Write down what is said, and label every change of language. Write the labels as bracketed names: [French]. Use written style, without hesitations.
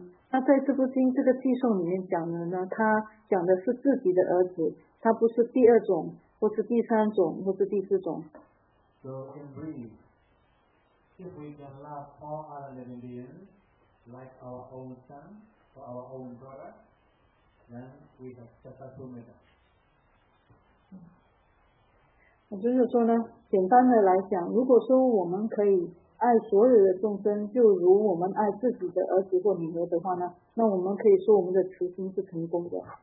[Chinese] 那在这部经这个记诵里面讲的呢，他讲的是自己的儿子，他不是第二种或是第三种或是第四种。 [English] So in brief, if we can love all other living beings like our own son or our own brother, then we have successful metta. [Chinese] 我就是说呢，简单的来讲，如果说我们可以爱所有的众生，就如我们爱自己的儿子或女儿的话呢，那我们可以说我们的慈心是成功的。